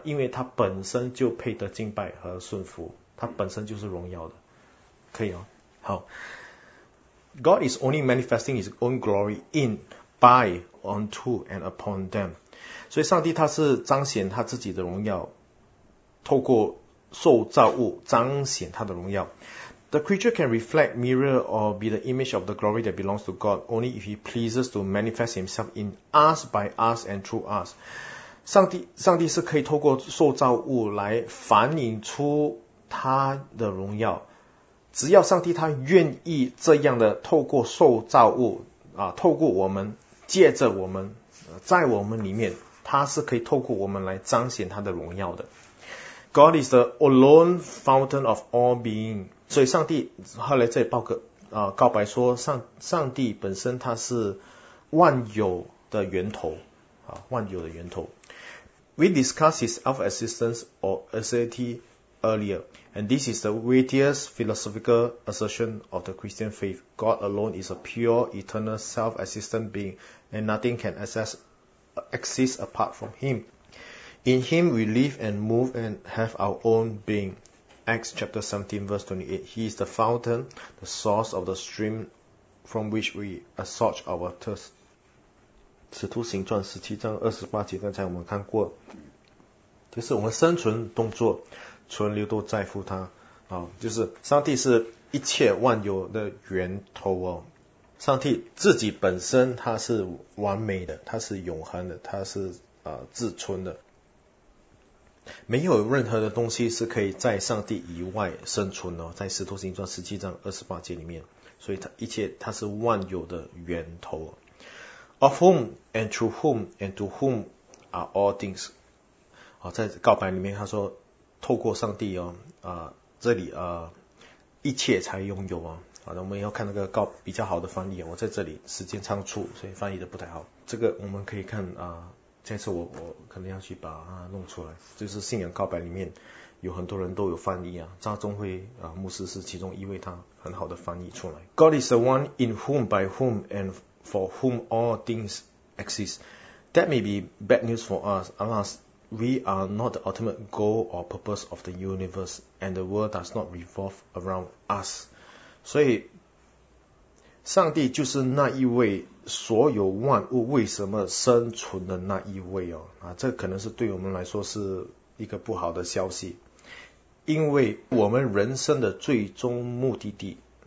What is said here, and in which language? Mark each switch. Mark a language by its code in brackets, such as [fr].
[zh] 因为他本身就配得敬拜和顺服，他本身就是荣耀的，可以哦。 [en] 好 ，God is only manifesting His own glory in, by, onto, and upon them。 [zh] 所以上帝他是彰显他自己的荣耀，透过受造物彰显他的荣耀。 [en] The creature can reflect, mirror, or be the image of the glory that belongs to God only if he pleases to manifest himself in us, by us, and through us. [zh] 上帝是可以透过受造物来反映出他的荣耀。只要上帝他愿意这样的透过受造物啊，透过我们，借着我们，在我们里面，他是可以透过我们来彰显他的荣耀的。 [en] God is the alone fountain of all being。 [zh] 所以上帝后来在告白说，上帝本身他是万有的源头啊，万有的源头。 [en] We discussed his self-existence or aseity earlier, and this is the weightiest philosophical assertion of the Christian faith. God alone is a pure, eternal, self-existent being, and nothing can exist apart from him. In him we live and move and have our own being. Acts chapter 17 verse 28, He is the fountain, the source of the stream from which we assort our thirst. [zh] 使徒行传17章28节，刚才我们看过，就是我们生存动作存留都在乎他、啊、就是上帝是一切万有的源头、哦、上帝自己本身他是完美的，他是永恒的，他是、自存的，没有任何的东西是可以在上帝以外生存哦，在使徒行传十七章二十八节里面，所以他一切他是万有的源头。 [en] Of whom and through whom and to whom are all things？ [zh] 好，在告白里面他说，透过上帝哦，这里一切才拥有啊。好的，我们要看那个告比较好的翻译，我在这里时间仓促，所以翻译的不太好。这个我们可以看这次我可能要去把它弄出来，就是信仰告白里面有很多人都有翻译啊，张宗辉牧师是其中一位，他很好的翻译出来。 [en] God is the one in whom, by whom, and for whom all things exist. That may be bad news for us, alas, we are not the ultimate goal or purpose of the universe, and the world does not revolve around us. [zh] 所以上帝就是那一位所有万物为什么生存的那一位哦，这可能是对我们来说是一个不好的消息，因为我们人生的最终目的地，